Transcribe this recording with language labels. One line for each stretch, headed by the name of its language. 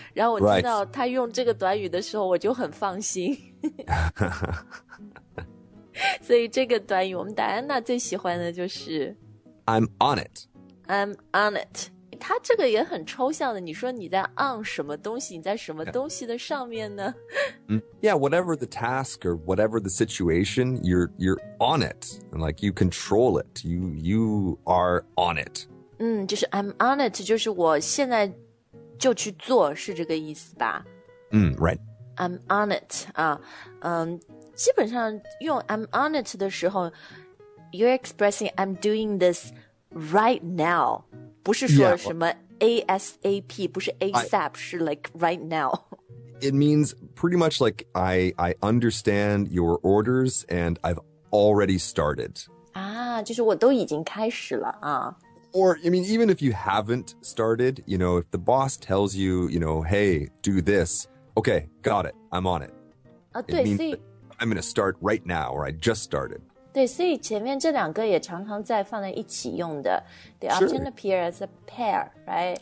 Chinese: 然后我听到她用这个短语的时候，我就很放心。所以这个短语我们戴安娜最喜欢的就是
English: I'm on it. I'm on it.
Chinese: 它这个也很抽象的，你说你在 on 什么东西，你在什么东西的上面呢？
English: Yeah, whatever the task or whatever the situation, you're on it. And like you control it. You are on it.
Chinese: 就是
English: I'm on it,
Chinese: 就是我现在就去做，是这个意思吧？
English: Right. I'm on it.
Chinese: 基本上用
English: I'm on it
Chinese: 的时候
English: you're expressing I'm doing this right now
Chinese: 不是说什么
English: ASAP 不是 ASAP 是 like right now It means pretty much like I understand your orders and I've already started
Chinese: 就是我都已经开始了啊。
English: Or, I mean, even if you haven't started, you know, if the boss tells you, you know, hey, do this Okay, got it, I'm on it
Chinese: 对，所以
English: I'm going to start right now, or I just started.
Chinese: 对，所以前面这两个也常常在放在一起用的。
English: They often appear as a pair, right?